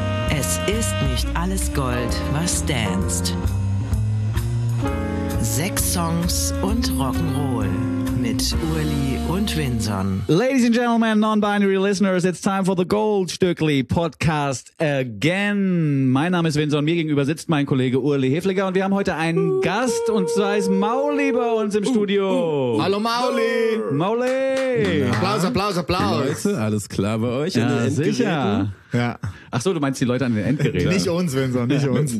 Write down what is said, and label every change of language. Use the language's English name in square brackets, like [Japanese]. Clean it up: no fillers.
[German] Es ist nicht alles Gold, was danst. Sechs Songs und Rock'n'Roll mit Uli und Vinson. [English] Ladies and gentlemen, non-binary listeners, it's time for the Goldstückli Podcast again. [German] Mein Name ist Vinson, mir gegenüber sitzt mein Kollege Uli Hefliger und wir haben heute einen Gast und zwar ist Mauli bei uns im Studio. Hallo Mauli! Mauli! Applaus! Hey Leute, alles klar bei euch? Ja, sicher! Ja. Ach so, du meinst die Leute an den Endgeräten. Nicht uns, Vinson, nicht uns.